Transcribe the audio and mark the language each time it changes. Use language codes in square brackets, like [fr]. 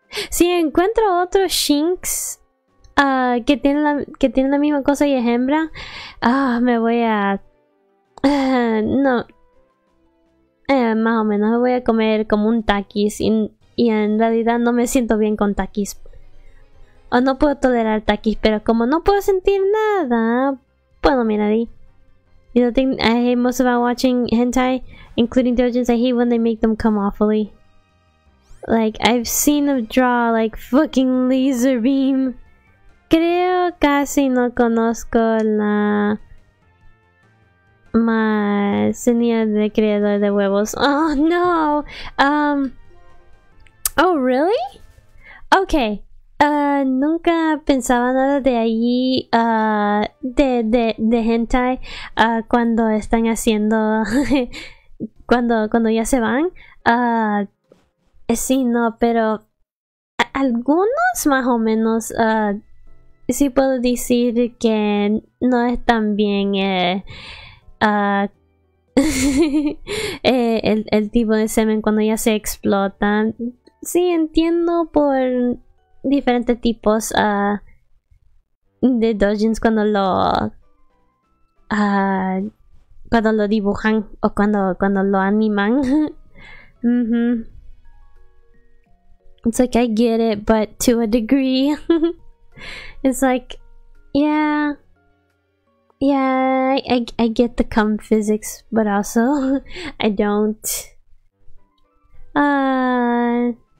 [es] Si encuentro otro Shinx que tiene la misma cosa y es hembra, me voy a... no. Más o menos, voy a comer como un Takis y en realidad no me siento bien con Takis. O no puedo tolerar taquis, pero como no puedo sentir nada, puedo mirar ahí. [en] You know, the thing I hate most about watching hentai, including doujins, I hate when they make them come awfully. Like, I've seen them draw like fucking laser beam. [es] Creo casi no conozco la más genial de creador de huevos. [en] Oh no. Oh really? Okay. [es] Nunca pensaba nada de allí de hentai cuando están haciendo cuando ya se van. Sí, no, pero algunos más o menos sí puedo decir que no están bien el tipo de semen cuando ya se explota. Sí, entiendo por diferentes tipos de doujins cuando lo dibujan o cuando lo animan. [en] It's like, I get it, but to a degree. It's like, I get the cum physics, but also I don't.